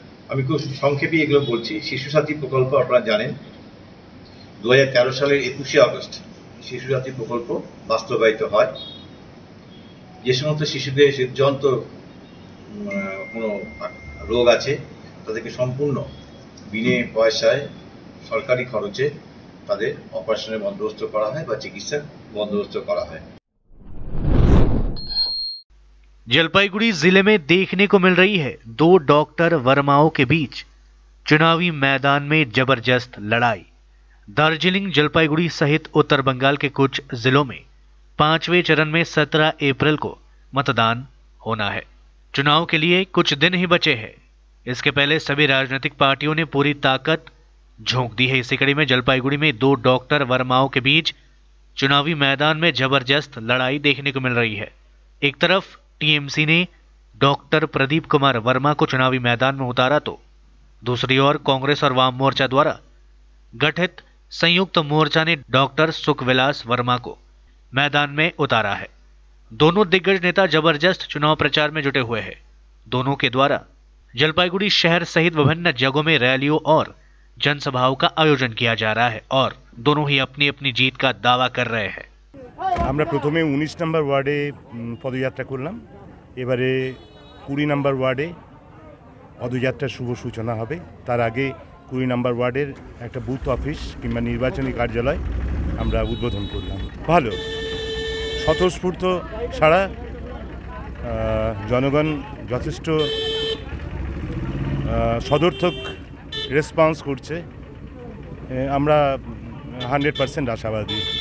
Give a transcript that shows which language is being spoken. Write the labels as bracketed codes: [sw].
[bn] আমি খুব সংক্ষেপে এগুলো বলছি। শিশুসাথী প্রকল্প আপনারা জানেন 2013 সালের 21শে অগস্ট শিশুসাথী প্রকল্প বাস্তবায়িত হয়, যে সমস্ত শিশুদের হৃদযন্ত কোনো রোগ আছে তাদেরকে সম্পূর্ণ বিনে পয়সায় সরকারি খরচে তাদের অপারেশনের বন্দোবস্ত করা হয় বা চিকিৎসার বন্দোবস্ত করা হয়। [hi] जलपाईगुड़ी जिले में देखने को मिल रही है दो डॉक्टर वर्माओं के बीच चुनावी मैदान में जबरदस्त लड़ाई। दार्जिलिंग जलपाईगुड़ी सहित उत्तर बंगाल के कुछ जिलों में 5वें चरण में 17 अप्रैल को मतदान होना है। चुनाव के लिए कुछ दिन ही बचे हैं। इसके पहले सभी राजनीतिक पार्टियों ने पूरी ताकत झोंक दी है। इसी कड़ी में जलपाईगुड़ी में दो डॉक्टर वर्माओं के बीच चुनावी मैदान में जबरदस्त लड़ाई देखने को मिल रही है। एक तरफ TMC ने डॉक्टर प्रदीप कुमार वर्मा को चुनावी मैदान में उतारा तो दूसरी ओर कांग्रेस और वाम मोर्चा द्वारा गठित संयुक्त मोर्चा ने डॉक्टर सुखविलास वर्मा को मैदान में उतारा है। दोनों दिग्गज नेता जबरदस्त चुनाव प्रचार में जुटे हुए हैं। दोनों के द्वारा जलपाईगुड़ी शहर सहित विभिन्न जगहों में रैलियों और जनसभाओं का आयोजन किया जा रहा है और दोनों ही अपनी अपनी जीत का दावा कर रहे हैं। [bn] আমরা প্রথমে 19 নম্বর ওয়ার্ডে পদযাত্রা করলাম, এবারে 20 নম্বর ওয়ার্ডে পদযাত্রার শুভ সূচনা হবে। তার আগে 20 নম্বর ওয়ার্ডের একটা বুথ অফিস কিংবা নির্বাচনী কার্যালয় আমরা উদ্বোধন করলাম। ভালো স্বতঃস্ফূর্ত ছাড়া জনগণ যথেষ্ট সদর্থক রেসপন্স করছে, আমরা 100% আশাবাদী।